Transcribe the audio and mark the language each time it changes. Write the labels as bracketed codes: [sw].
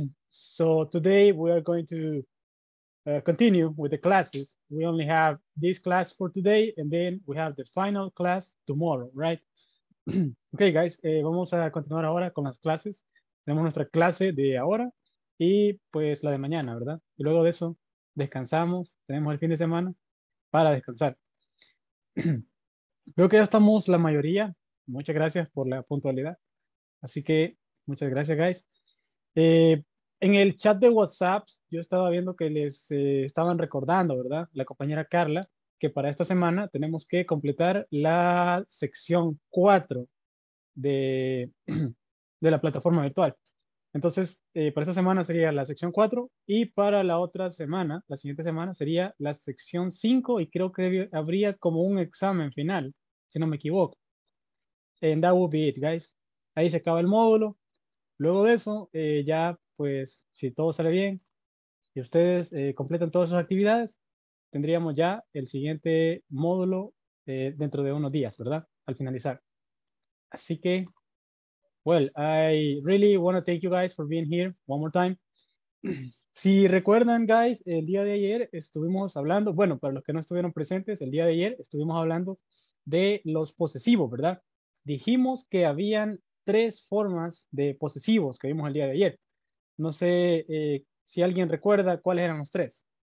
[en] So today we are going to continue with the classes. We only have this class for today, and then we have the final class tomorrow, right? [es] Okay, guys, vamos a continuar ahora con las clases. Tenemos nuestra clase de ahora y pues la de mañana, ¿verdad? Y luego de eso descansamos, tenemos el fin de semana para descansar. Creo que ya estamos la mayoría. Muchas gracias por la puntualidad. Así que muchas gracias, guys. En el chat de WhatsApp, yo estaba viendo que les estaban recordando, ¿verdad? La compañera Carla, que para esta semana tenemos que completar la sección 4 de la plataforma virtual. Entonces, para esta semana sería la sección 4 y para la otra semana, la siguiente semana, sería la sección 5 y creo que habría como un examen final, si no me equivoco. [en] And that would be it, guys. [es] Ahí se acaba el módulo. Luego de eso, ya, pues, si todo sale bien y ustedes completan todas sus actividades, tendríamos ya el siguiente módulo dentro de unos días, ¿verdad? Al finalizar. Así que, [en] well, I really want to thank you guys for being here one more time. [es] Si recuerdan, guys, el día de ayer estuvimos hablando, bueno, para los que no estuvieron presentes, el día de ayer estuvimos hablando de los posesivos, ¿verdad? Dijimos que habían tres formas de posesivos que vimos el día de ayer. No sé si alguien recuerda cuáles eran los tres.